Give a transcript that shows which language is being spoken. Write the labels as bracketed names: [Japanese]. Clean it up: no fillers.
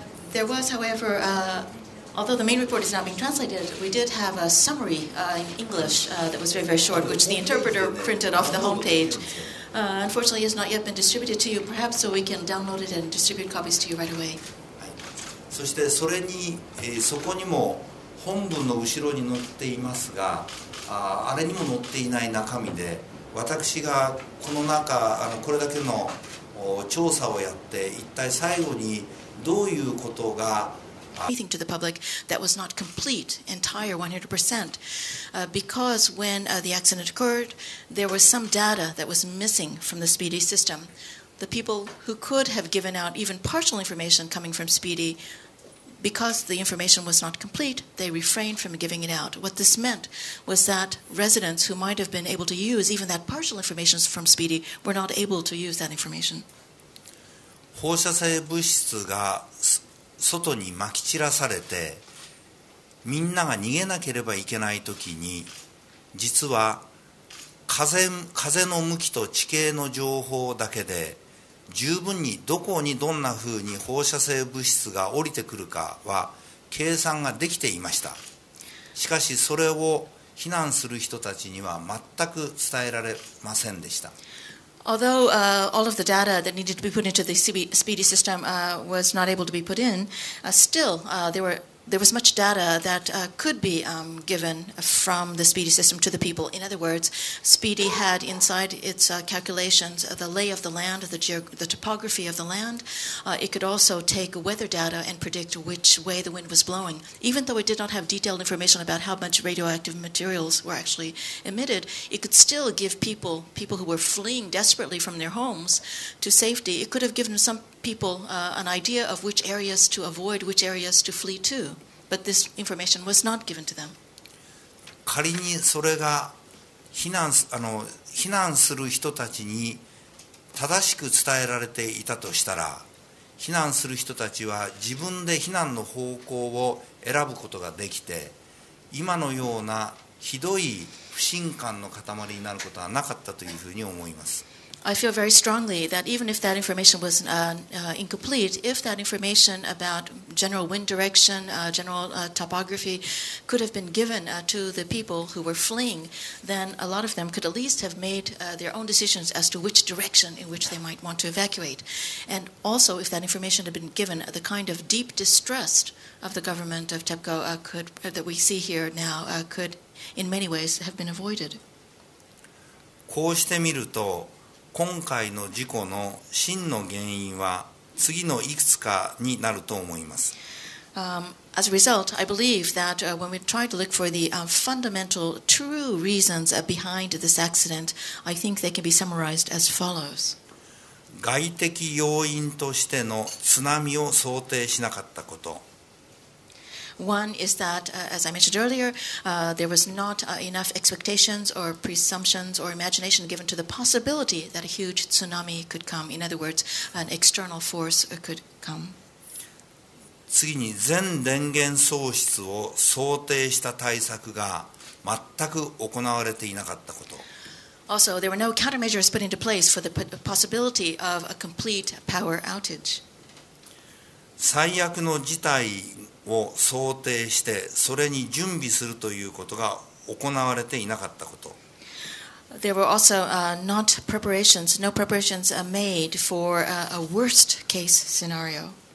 [English] There was, however, although the main report is not being translated, we did have a summary in English that was very, very short, which the interpreter printed off the homepage. Unfortunately, it has not yet been distributed to you, perhaps so we can download it and distribute copies to you right away. [Japanese] そしてそれに、そこにも本文の後ろに載っていますが、あれにも載っていない中身で、私がこの中これだけの調査をやって一体最後にどういうことが [English] Anything to the public that was not complete, entire 100%, because when the accident occurred, there was some data that was missing from the speedy system. The people who could have given out even partial information coming from speedy,Because the information was not complete, they refrained from giving it out. What this meant was that residents who might have been able to use even that partial information from Speedy were not able to use that information. [Japanese] 放射性物質が外に撒き散らされて、みんなが逃げなければいけないときに、実は風の向きと地形の情報だけで、十分にどこにどんなふうに放射性物質が降りてくるかは計算ができていました。しかしそれを避難する人たちには全く伝えられませんでした。 [English] Although all of the data that needed to be put into the speedy system was not able to be put in, still there were there was much data that could be given from the Speedy system to the people. In other words, Speedy had inside its calculations the lay of the land, the topography of the land. It could also take weather data and predict which way the wind was blowing. Even though it did not have detailed information about how much radioactive materials were actually emitted, it could still give people who were fleeing desperately from their homes to safety, it could have given some people an idea of which areas to avoid, which areas to flee to, but this information was not given to them. [Japanese] 仮にそれが避難す、あの、避難する人たちに正しく伝えられていたとしたら、避難する人たちは自分で避難の方向を選ぶことができて、今のようなひどい不信感の塊になることはなかったというふうに思います。 [English] I feel very strongly that even if that information was incomplete, if that information about general wind direction, general topography could have been given to the people who were fleeing, then a lot of them could at least have made their own decisions as to which direction in which they might want to evacuate. And also, if that information had been given, the kind of deep distrust of the government of TEPCO that we see here now could in many ways have been avoided. [Japanese] こうしてみると今回の事故の真の原因は次のいくつかになると思います。 [English] As a result, I believe that when we try to look for the fundamental true reasons behind this accident, I think they can be summarized as follows. [Japanese] 外的要因としての津波を想定しなかったこと。 [English] One is that, as I mentioned earlier, there was not enough expectations or presumptions or imagination given to the possibility that a huge tsunami could come. In other words, an external force could come. [Japanese] 次に、全電源喪失を想定した対策が全く行われていなかったこと。 [English] Also, there were no countermeasures put into place for the possibility of a complete power outage. [Japanese] 最悪の事態を想定してそれに準備するということが行われていなかったこと。 [English] There were also no preparations made for a worst case scenario.